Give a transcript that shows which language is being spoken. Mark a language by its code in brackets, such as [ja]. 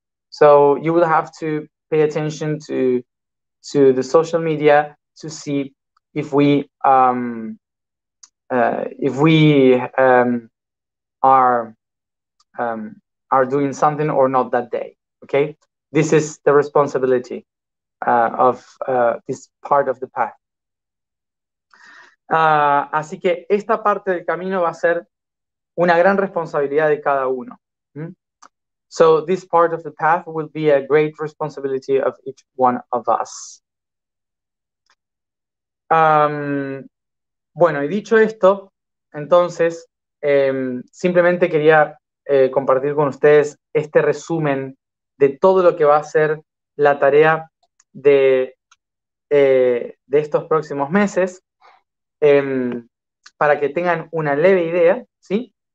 [en] So you will have to pay attention to the social media to see if we are doing something or not that day, okay? This is the responsibility of this part of the path. [es] Así que esta parte del camino va a ser una gran responsabilidad de cada uno. [en] So this part of the path will be a great responsibility of each one of us. [es] Bueno, y dicho esto, entonces, simplemente quería compartir con ustedes este resumen de todo lo que va a ser la tarea de estos próximos meses, para que tengan una leve idea, ¿sí?